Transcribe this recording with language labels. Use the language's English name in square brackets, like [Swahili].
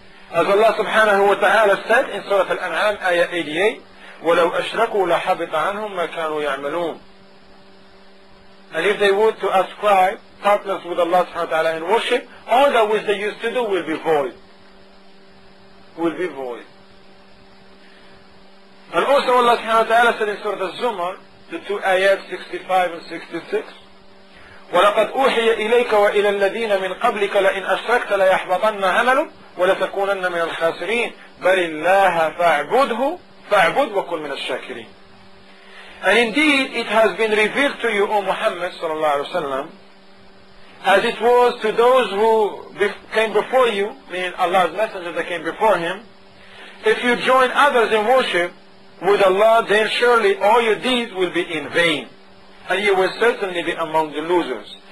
[English] As Allah subhanahu wa ta'ala said in Surah Al-An'am, ayah 88, [Arabic] وَلَوْ أَشْرَكُوا لَحَبِطَ عَنْهُمْ مَا كَانُوا يَعْمَلُونَ. [English] And if they would to ascribe partners with Allah subhanahu wa ta'ala in worship, all that which they used to do will be void. Will be void. And also Allah subhanahu wa ta'ala said in Surah Az-Zumar, the two ayat 65 and 66, [Arabic] وَلَقَدْ أُوحِيَ إِلَيْكَ وَإِلَى الَّذِينَ مِنْ قَبْلِكَ لَإِنْ أَشْرَكْتَ لَيَحْبَطَنَّ عَمَلُكَ وَلَتَكُونَنَّ مِنَ الْخَاسِرِينَ بَلِ اللَّهَ فَاعْبُدْهُ فَاعْبُدْ وَكُنْ مِنَ الشَّاكِرِينَ. [English] And indeed, it has been revealed to you, O Muhammad sallallahu alayhi wa sallam, as it was to those who came before you, meaning Allah's messenger that came before him, if you join others in worship with Allah, then surely all your deeds will be in vain, and you will certainly be among the losers.